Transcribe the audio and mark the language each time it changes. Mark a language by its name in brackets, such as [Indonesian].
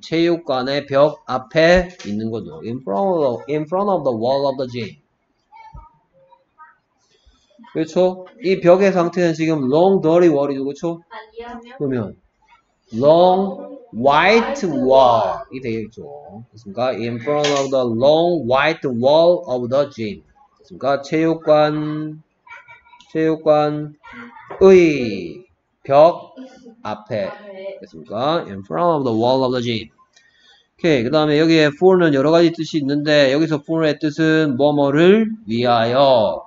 [Korean] 체육관의 벽 앞에 있는 거죠. [English] In front of the wall of the gym. [Korean] 그렇죠? 이 벽의 상태는 지금 [English] long dirty wall [Korean] 이죠, 그렇죠? 그러면 [English] long white wall [Korean] 이 되겠죠. 그렇습니까? [English] In front of the long white wall of the gym. [Korean] 그렇습니까? 체육관의 벽 앞에. 그렇습니까? [English] In front of the wall of the gym. [Korean] 오케이. 그 다음에 여기에 for는 여러 가지 뜻이 있는데, 여기서 for의 뜻은 뭐뭐를 위하여.